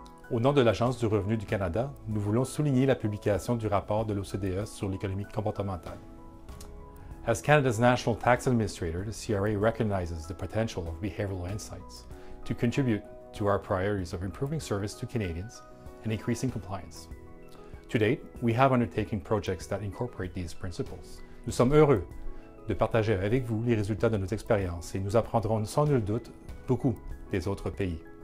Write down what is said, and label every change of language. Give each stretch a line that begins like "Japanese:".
French: Au nom de l'Agence du revenu du Canada, nous voulons souligner la publication du rapport de l'OCDE sur l'économie comportementale.
English: As Canada's National Tax Administrator, the CRA recognizes the potential of behavioral insights to contribute to our priorities of improving service to Canadians and increasing compliance. To date, we have undertaken projects that incorporate these principles.
French: Nous sommes heureux de partager avec vous les résultats de nos expériences et nous apprendrons sans nul doute beaucoup des autres pays.